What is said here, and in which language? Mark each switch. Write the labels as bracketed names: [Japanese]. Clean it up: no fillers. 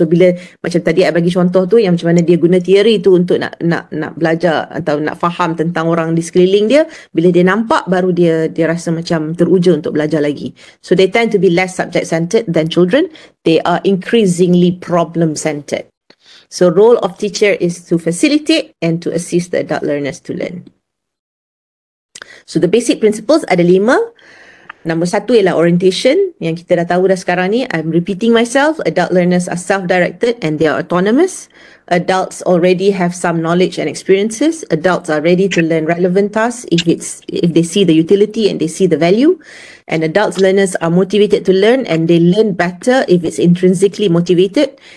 [Malay] So bila macam tadi saya bagi contoh tu yang macam mana dia guna teori tu untuk nak belajar atau nak faham tentang orang di sekeliling dia, bila dia nampak baru dia rasa macam teruja untuk belajar lagi. [English] So they tend to be less subject centered than children. They are increasingly problem centered. So role of teacher is to facilitate and to assist the adult learners to learn. So the basic principles [Malay] ada 5. Number 1 ialah orientation yang kita dah tahu dah sekarang ni. [English] I'm repeating myself. Adult learners are self-directed and they are autonomous. Adults already have some knowledge and experiences. Adults are ready to learn relevant tasks if they see the utility and they see the value. And adults learners are motivated to learn and they learn better if it's intrinsically motivated.